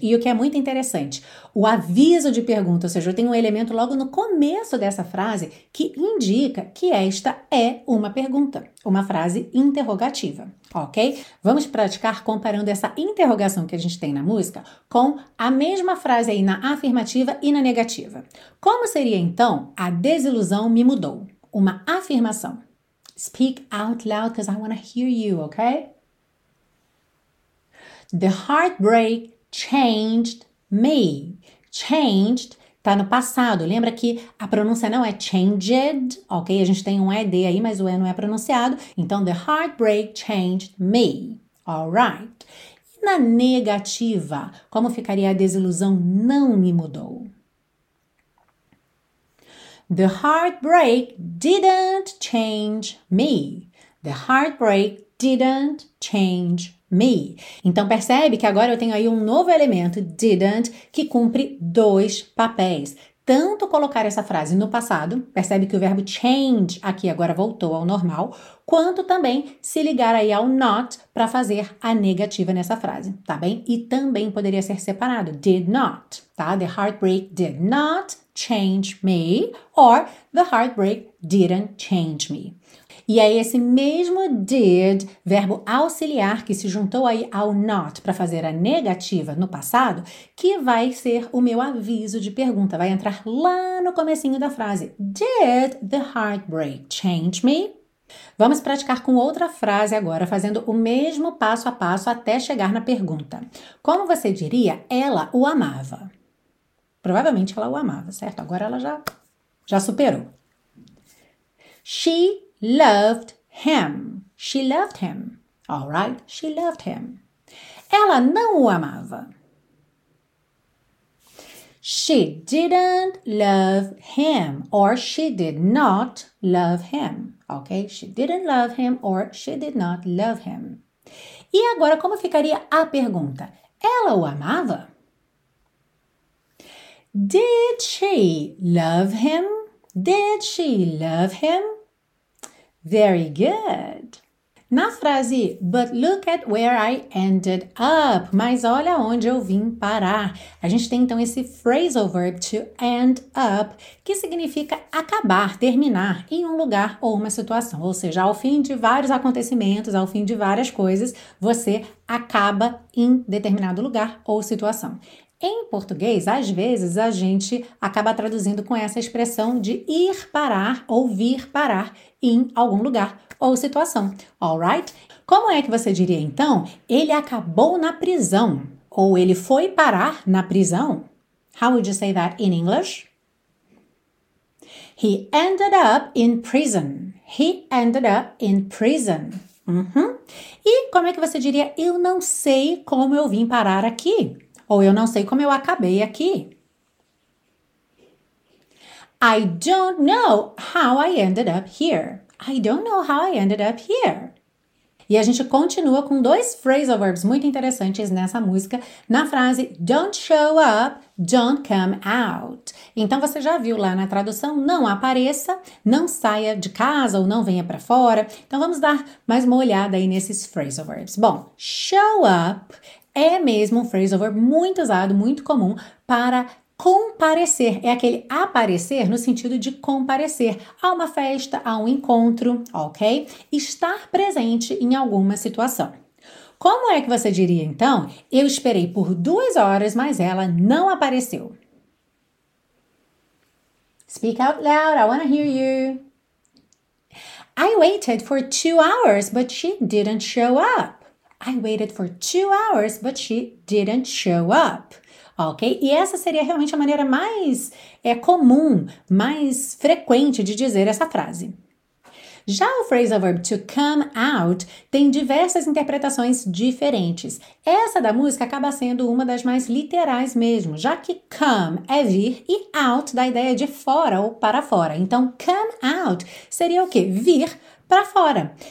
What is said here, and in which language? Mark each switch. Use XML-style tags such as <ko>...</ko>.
<pt>E o que é muito interessante, o aviso de pergunta, ou seja, eu tenho um elemento logo no começo dessa frase que indica que esta é uma pergunta, uma frase interrogativa. Ok? Vamos praticar comparando essa interrogação que a gente tem na música com a mesma frase aí na afirmativa e na negativa. Como seria então a desilusão me mudou? Uma afirmação.</pt> <en>Speak out loud because I want to hear you, ok? The heartbreak changed me.</en> <pt>Changed tá no passado. Lembra que a pronúncia não é changed, ok? A gente tem um ED aí, mas o E não é pronunciado. Então,</pt> <en>the heartbreak changed me. Alright.</en> <pt>E na negativa, como ficaria a desilusão não me mudou?</pt> <en>The heartbreak didn't change me. The heartbreak didn't change me.</en> <pt>Então percebe que agora eu tenho aí um novo elemento, didn't, que cumpre dois papéis. Tanto colocar essa frase no passado, percebe que o verbo change aqui agora voltou ao normal, quanto também se ligar aí ao not para fazer a negativa nessa frase, tá bem? E também poderia ser separado, did not, tá?</pt> <en>The heartbreak did not change me, or the heartbreak didn't change me.</en> <pt>E aí esse mesmo did, verbo auxiliar que se juntou aí ao not para fazer a negativa no passado, que vai ser o meu aviso de pergunta, vai entrar lá no comecinho da frase.</pt> <en>Did the heartbreak change me?</en> <pt>Vamos praticar com outra frase agora, fazendo o mesmo passo a passo até chegar na pergunta. Como você diria, ela o amava? Provavelmente ela o amava, certo? Agora ela já superou.</pt> <en>She loved him. She loved him. All right? She loved him.</en> <pt>Ela não o amava.</pt> <en>She didn't love him or she did not love him. Ok? She didn't love him or she did not love him.</en> <pt>E agora, como ficaria a pergunta? Ela o amava?</pt> <en>Did she love him? Did she love him? Very good.</en> <pt>Na frase,</pt> <en>but look at where I ended up.</en> <pt>Mas olha onde eu vim parar. A gente tem então esse phrasal verb to end up, que significa acabar, terminar em um lugar ou uma situação. Ou seja, ao fim de vários acontecimentos, ao fim de várias coisas, você acaba em determinado lugar ou situação. Em português, às vezes, a gente acaba traduzindo com essa expressão de ir parar ou vir parar em algum lugar ou situação, alright? Como é que você diria, então, ele acabou na prisão ou ele foi parar na prisão?</pt> <en>How would you say that in English? He ended up in prison. He ended up in prison. Uhum.</en> <pt>E como é que você diria, eu não sei como eu vim parar aqui? Ou eu não sei como eu acabei aqui.</pt> <en>I don't know how I ended up here. I don't know how I ended up here.</en> <pt>E a gente continua com dois phrasal verbs muito interessantes nessa música, na frase</pt> <en>don't show up, don't come out.</en> <pt>Então você já viu lá na tradução, não apareça, não saia de casa ou não venha para fora. Então vamos dar mais uma olhada aí nesses phrasal verbs. Bom, show up é mesmo um phrasal verb muito usado, muito comum para comparecer. É aquele aparecer no sentido de comparecer a uma festa, a um encontro, ok? Estar presente em alguma situação. Como é que você diria, então? Eu esperei por 2 horas, mas ela não apareceu.</pt> <en>Speak out loud, I want to hear you. I waited for 2 hours, but she didn't show up. I waited for 2 hours, but she didn't show up. Ok?</en> <pt>E essa seria realmente a maneira mais comum, mais frequente de dizer essa frase. Já o phrasal verb to come out tem diversas interpretações diferentes. Essa da música acaba sendo uma das mais literais mesmo, já que come é vir e out dá a ideia de fora ou para fora. Então, come out seria o quê? Vir para fora.</pt>